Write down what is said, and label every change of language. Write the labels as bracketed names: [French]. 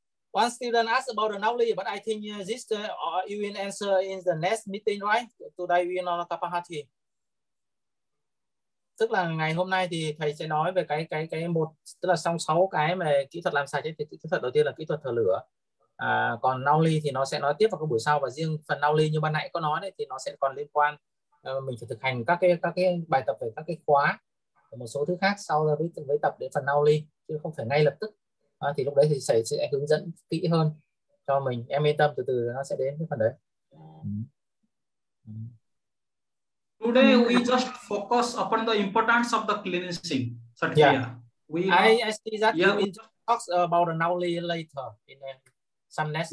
[English] One student asked about the Nauli, but I think this you will answer in the next meeting, right? Today we know Kapalbhati. [Vietnamese] Tức là ngày hôm nay thì thầy sẽ nói về cái một, tức là xong 6 cái mà kỹ thuật làm sạch, thì kỹ thuật đầu tiên là kỹ thuật thở lửa. Còn Nauli thì nó sẽ nói tiếp vào cái buổi sau, và riêng phần Nauli như ban nãy có nói đấy, thì nó sẽ còn liên quan mình phải thực hành các cái bài tập về các cái khóa và một số thứ khác sau đó với tập đến phần Nauli, chứ không phải ngay lập tức. Thì lúc đấy thì thầy sẽ hướng dẫn kỹ hơn cho mình. Em yên tâm, từ từ nó sẽ đến cái phần đấy. [English] Today we just focus upon the importance of the cleansing. I see that we just talk about the Nauli later in some next